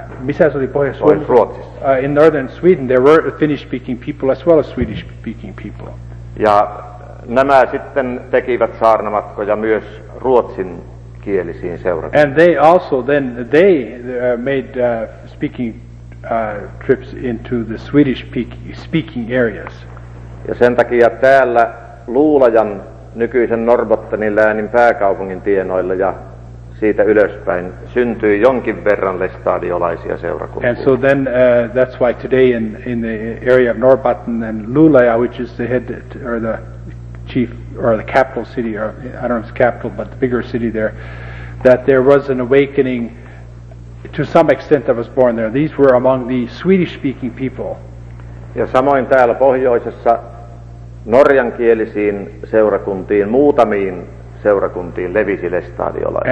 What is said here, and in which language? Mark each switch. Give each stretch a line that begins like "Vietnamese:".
English: In northern Sweden there were Finnish-speaking people as well as Swedish-speaking people.
Finnish: Ja nämä sitten tekivät saarnamatkoja myös ruotsin kielisiin seurakuntiin.
English: And they also then they made speaking trips into the Swedish-speaking areas.
Finnish: Ja sen takia täällä Luulajan nykyisen Norrbottenin läänin pääkaupungin tienoilla ja siitä ylöspäin syntyi jonkin verran lestadiolaisia seurakuntia.
English: And so then that's why today in the area of Norrbotten and Luulaja, which is the head or the chief or the capital city, or I don't know if it's capital but the bigger city there, that there was an awakening to some extent that was born there. These were among the Swedish speaking people.
Finnish: Ja samoin täällä pohjoisessa norjankielisiin seurakuntiin muutamiin seurakuntiin levisi lestadiolaisia.